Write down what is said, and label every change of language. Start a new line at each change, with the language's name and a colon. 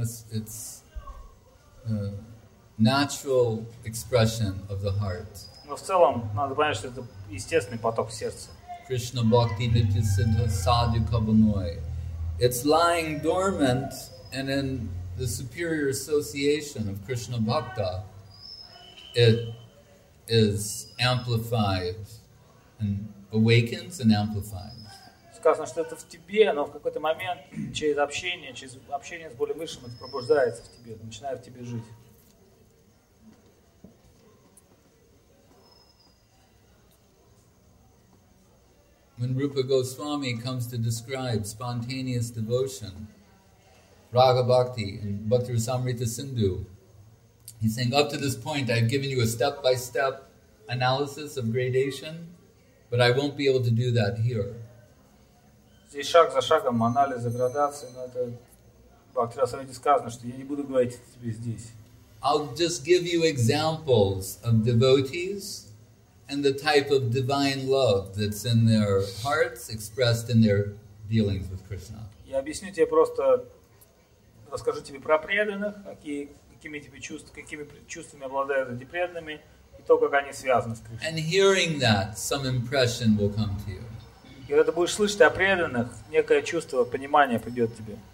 English: It's a natural expression of the heart.
Russian: Но в целом надо понять, что это естественный поток сердца. Krishna bhakti nitya siddha sadhu kabanoi.
English: It's lying dormant and in the superior association of Krishna bhakta, it is amplified and awakens and amplifies.
Russian: Сказано, что это в тебе, но в какой-то момент через общение с более высшим это пробуждается в тебе, начинает в тебе жить.
English: When Rupa Goswami comes to describe spontaneous devotion, Raga Bhakti and Bhakti Rasamrita Sindhu, he's saying, up to this point I've given you a step-by-step analysis of gradation, but I won't be able to do that here.
Russian: Здесь шаг за шагом анализ градации, но это Бхактира Самхита сказано, что я не буду говорить это тебе здесь.
English: I'll just give you examples of devotees and the type of divine love that's in their hearts expressed in their dealings with Krishna.
Russian: Я объясню тебе просто, расскажу тебе про преданных, какими чувствами обладают эти преданными и то, как они связаны с Кришной.
English: And hearing that, some impression will come to you.
Russian: И когда ты будешь слышать о преданных, некое чувство понимания придет тебе.